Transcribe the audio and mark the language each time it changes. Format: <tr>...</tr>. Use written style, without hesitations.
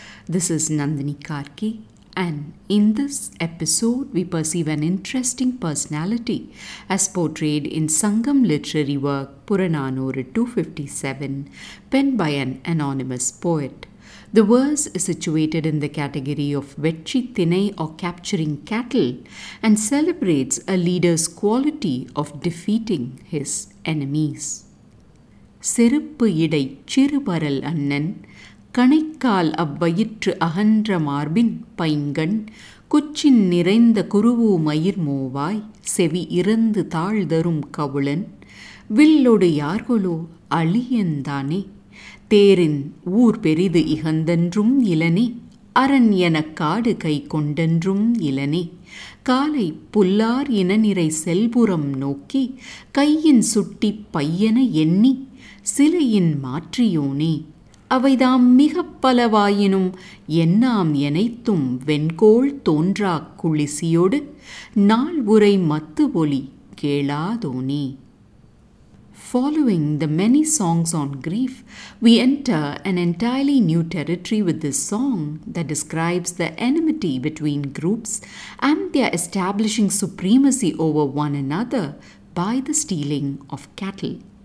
<en>This is Nandini Karki, and in this episode we perceive an interesting personality as portrayed in Sangam literary work Puranaanooru 257, penned by an anonymous poet. The verse is situated in the category of Vetchi Thinai, or capturing cattle, and celebrates a leader's quality of defeating his enemies.</en> <ta>சிறுப்பு இடை சிறுபரல் அண்ணன் கணைக்கால் அவ்வயிற்று அகன்ற மார்பின் பைங்கண் குச்சின் நிறைந்த குருவு மயிர் மோவாய் செவி இறந்து தாழ்தரும் கவுளன் வில்லொடு யார்களோ அழியந்தானே தேரின் ஊர் பெரிது இகந்தென்றும் இளனே அரண் எனக் காடு கை கொண்டென்றும் இளனே காலை புல்லார் இனநிறை செல்புறம் நோக்கி கையின் சுட்டி பையன எண்ணி சிலையின் மாற்றியோனே அவைதாம் மிக பலவாயினும் என்னாம் எனைத்தும் வெண்கோள் தோன்றா குளிசியோடு நாள் உரை மத்து ஒளி கேளாதோனே.</ta> <en>Following the many songs on grief, we enter an entirely new territory with this song that describes the enmity between groups and their establishing supremacy over one another by the stealing of cattle.</en>